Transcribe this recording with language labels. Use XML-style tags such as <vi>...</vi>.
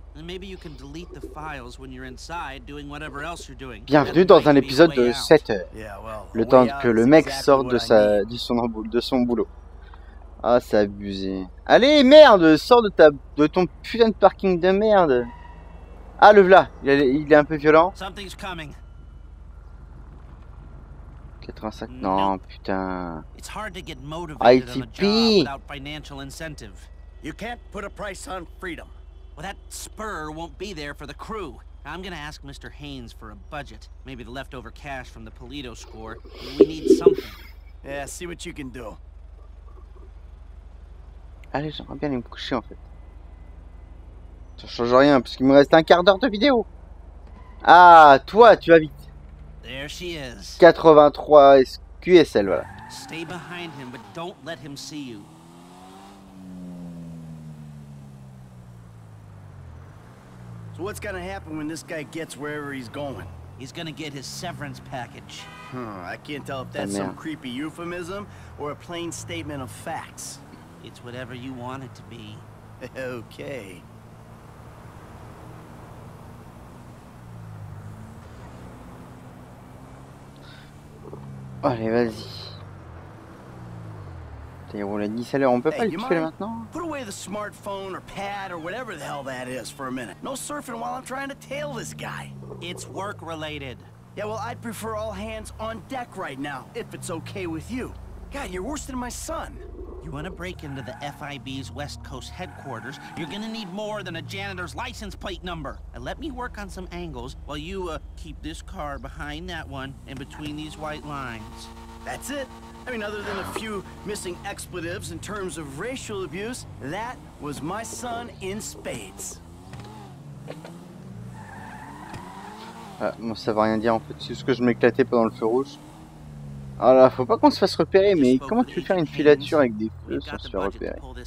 <en>And maybe you can delete the files when you're inside doing whatever else you're doing.</en> <fr>Bienvenue dans un épisode de 7 heures. Le temps que le mec sorte de sa de son boulot. Ah, c'est abusé. Allez, merde, sors de ta de ton putain de parking de merde. Ah, le v'là, il est un peu violent. 85. Non, putain.</fr> <en>It's hard to get motivated on a job without financial incentive. You can't put a price on freedom. Well, that spur won't be there for the crew. I'm gonna ask Mr. Haynes for a budget. Maybe the leftover cash from the Polito score. We need something. Yeah, see what you can do.</en> <fr>Allez, j'aimerais bien aller me coucher, en fait. Ça change rien, parce qu'il me reste un quart d'heure de vidéo. Ah, toi, tu vas vite.</fr> <en>There she is.</en> <fr>83 QSL, voilà.</fr> <en>Stay behind him, but don't let him see you. So what's gonna happen when this guy gets wherever he's going? He's gonna get his severance package. I can't tell if that's some creepy euphemism or a plain statement of facts. It's whatever you want it to be. Okay.</en> <fr>Allez, vas-y. T'as roulé 10 à l'heure, on peut pas le tuer maintenant?</fr> <en>Put away the smartphone or pad or whatever the hell that is for a minute. No surfing while I'm trying to tail this guy. It's work related. Yeah, well, I'd prefer all hands on deck right now, if it's okay with you. God, you're worse than my son. You want to break into the FIB's West Coast headquarters, you're gonna need more than a janitor's license plate number. And let me work on some angles while you, keep this car behind that one and between these white lines. That's it. I mean, other than a few missing expletives in terms of racial abuse, that was my son in spades.</en> <fr>Bon, ça va rien dire, en fait. C'est juste que je m'éclatais pendant le feu rouge. Ah là, faut pas qu'on se fasse repérer, mais comment tu veux faire une filature avec des feux sans se faire repérer?</fr>